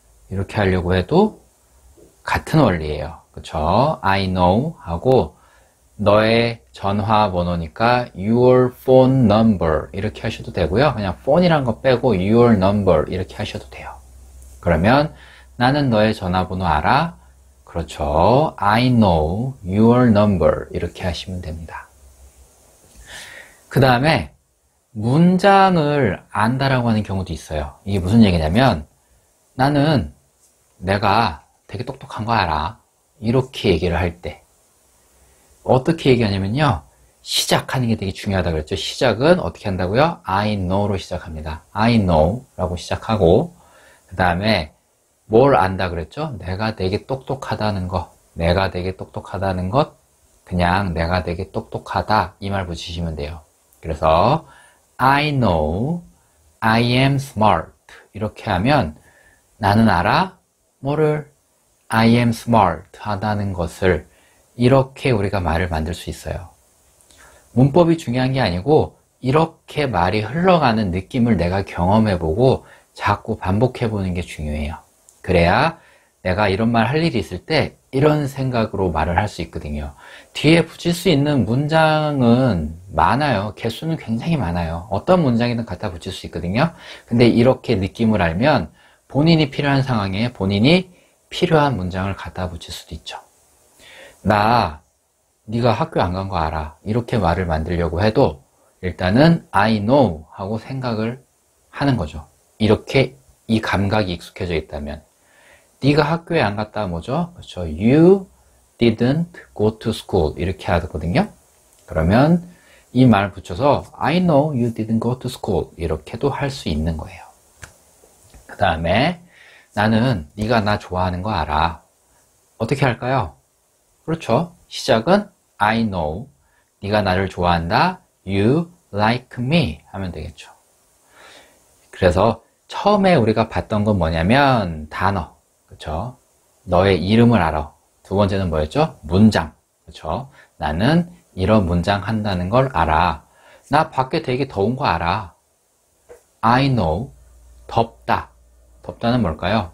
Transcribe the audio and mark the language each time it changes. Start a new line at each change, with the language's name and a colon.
Korean: 이렇게 하려고 해도 같은 원리예요. 그쵸?
English: I know
Korean: 하고 너의 전화번호니까
English: your phone number
Korean: 이렇게 하셔도 되고요. 그냥 phone이란 거 빼고
English: your number
Korean: 이렇게 하셔도 돼요. 그러면 나는 너의 전화번호 알아. 그렇죠?
English: I know your number
Korean: 이렇게 하시면 됩니다. 그 다음에 문장을 안다라고 하는 경우도 있어요. 이게 무슨 얘기냐면, 나는 내가 되게 똑똑한 거 알아. 이렇게 얘기를 할 때. 어떻게 얘기하냐면요. 시작하는 게 되게 중요하다고 그랬죠. 시작은 어떻게 한다고요?
English: I know
Korean: 로 시작합니다.
English: I know
Korean: 라고 시작하고, 그 다음에 뭘 안다 그랬죠? 내가 되게 똑똑하다는 것. 내가 되게 똑똑하다는 것. 그냥 내가 되게 똑똑하다. 이말 붙이시면 돼요.
English: 그래서, I know, I am smart.
Korean: 이렇게 하면 나는 알아, 뭐를?
English: I am smart
Korean: 하다는 것을 이렇게 우리가 말을 만들 수 있어요. 문법이 중요한 게 아니고 이렇게 말이 흘러가는 느낌을 내가 경험해 보고 자꾸 반복해 보는 게 중요해요. 그래야 내가 이런 말할 일이 있을 때 이런 생각으로 말을 할수 있거든요. 뒤에 붙일 수 있는 문장은 많아요. 개수는 굉장히 많아요. 어떤 문장이든 갖다 붙일 수 있거든요. 근데 이렇게 느낌을 알면 본인이 필요한 상황에 본인이 필요한 문장을 갖다 붙일 수도 있죠. 나 네가 학교 안간거 알아. 이렇게 말을 만들려고 해도 일단은
English: I know
Korean: 하고 생각을 하는 거죠. 이렇게 이 감각이 익숙해져 있다면 네가 학교에 안 갔다 뭐죠? 그렇죠.
English: You didn't go to school
Korean: 이렇게 하거든요. 그러면 이말 붙여서
English: I know you didn't go to school
Korean: 이렇게도 할수 있는 거예요. 그 다음에 나는 네가 나 좋아하는 거 알아. 어떻게 할까요? 그렇죠. 시작은
English: I know
Korean: 네가 나를 좋아한다.
English: You like me
Korean: 하면 되겠죠. 그래서 처음에 우리가 봤던 건 뭐냐면 단어. 그쵸? 너의 이름을 알아. 두 번째는 뭐였죠? 문장. 그쵸? 나는 이런 문장 한다는 걸 알아. 나 밖에 되게 더운 거 알아.
English: I know.
Korean: 덥다. 덥다는 뭘까요?